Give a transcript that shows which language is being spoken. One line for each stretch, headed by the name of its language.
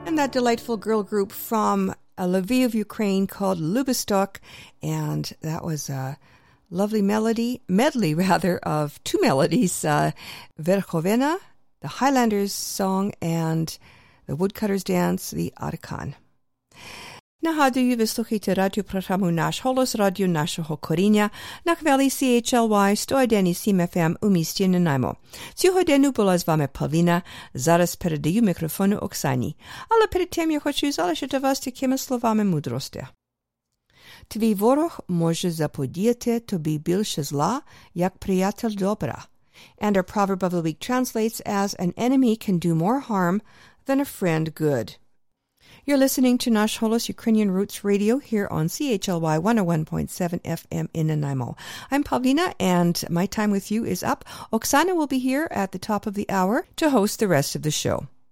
English: delightful girl group from Lviv, Ukraine, called Lubistok, and that was a lovely medley of two melodies, Verkhovena, the Highlander's song, and the Woodcutter's Dance, the Arkan.
Ukrainian: Нагадую, ви слухаєте радіопрограму «Наш голос», радіо нашого коріння на хвилі CHLY 101.7 FM у місті Нанаймо. Цього дня була з вами Павлина, зараз передаю мікрофону Оксані. Але перед тим я хочу залишити вас такими словами мудрості. Твій ворог може заподіяти тобі більше зла, як приятель добра.
English: And our proverb of the week translates as an enemy can do more harm than a friend good. You're listening to Nash Holos Ukrainian Roots Radio here on CHLY 101.7 FM in Nanaimo. I'm Pavlina, and my time with you is up. Oksana will be here at the top of the hour to host the rest of the show.